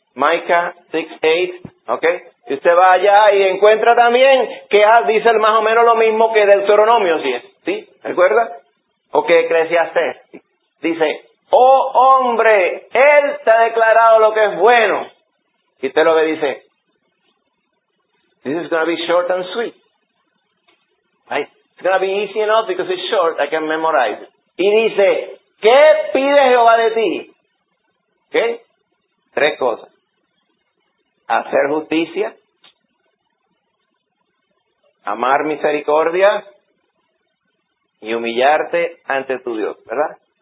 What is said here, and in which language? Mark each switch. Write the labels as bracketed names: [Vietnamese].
[Spanish] Micah 6:8, ¿ok? Si usted va allá y encuentra también que dice más o menos lo mismo que Deuteronomio, ¿sí? ¿Sí? ¿Recuerda? O que Eclesiastés. Dice, oh hombre, él te ha declarado lo que es bueno. Y usted lo ve y dice, [English] this is going to be short and sweet. Right? It's going to be easy enough because it's short. I can memorize it. [Spanish] Y dice, ¿qué pide Jehová de ti? ¿Qué? Tres cosas. Hacer justicia. Amar misericordia. Y humillarte ante tu Dios. ¿Verdad?